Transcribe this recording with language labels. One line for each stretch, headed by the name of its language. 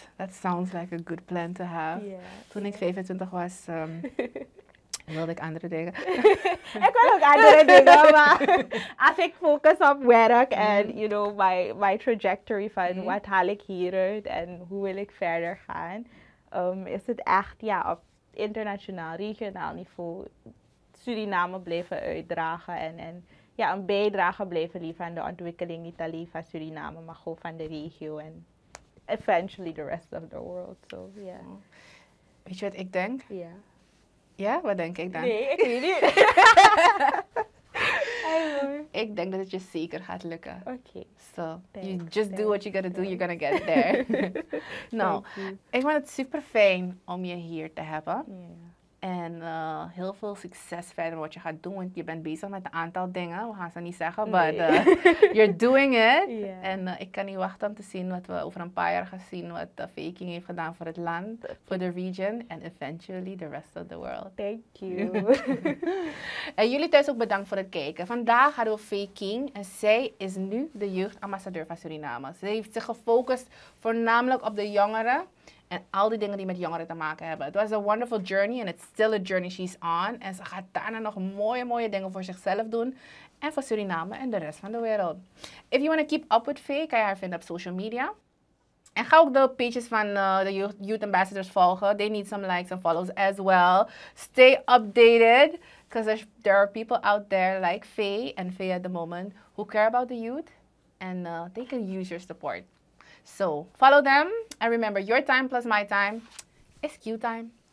English: that sounds like a good plan to have. Yeah.
Dutch: Toen ik 25 was, wilde ik andere dingen. Ik wil ook andere dingen, maar als ik focus op werk en
English: my trajectory
Dutch: van wat haal ik hieruit en hoe wil ik verder gaan, is het echt op internationaal, regionaal niveau Suriname blijven uitdragen en een bijdrage blijven leveren aan de ontwikkeling niet alleen van Suriname, maar gewoon van de regio en
English: eventually the rest of the world. So, yeah.
Dutch: Weet je wat ik denk? Ja. Ja, wat denk ik dan? Nee, ik weet niet. Ik denk dat het je zeker gaat lukken.
English: Okay. So, thanks, you just thanks, do what you gotta thanks. Do, you're gonna get there.
Dutch: Nou, ik vind het super fijn om je hier te hebben.
English: Yeah.
Dutch: En heel veel succes verder wat je gaat doen. Want je bent bezig met een aantal dingen. We gaan ze niet zeggen, maar
English: you're doing it. Yeah.
Dutch: En ik kan niet wachten om te zien wat we over een paar jaar gaan zien. Wat Fay King heeft gedaan voor het land, voor de region.
English: En eventually the rest of the world. Thank you.
Dutch: En jullie thuis ook bedankt voor het kijken. Vandaag hadden we Fay King. En zij is nu de jeugdambassadeur van Suriname. Ze heeft zich gefocust voornamelijk op de jongeren. En al die dingen die met jongeren te maken hebben. Het was een
English: wonderful journey and it's still a journey she's on.
Dutch: En ze gaat daarna nog mooie, mooie dingen voor zichzelf doen. En voor Suriname en de rest van de wereld.
English: If you want to keep up with Fay,
Dutch: kan je haar vinden op social media. En ga ook de pages van de Youth Ambassadors volgen.
English: They need some likes and follows as well. Stay updated. Because there are people out there like Fay and Fay at the moment who care about the youth. And they can use your support. So, follow them, and remember, your time plus my time is Q time.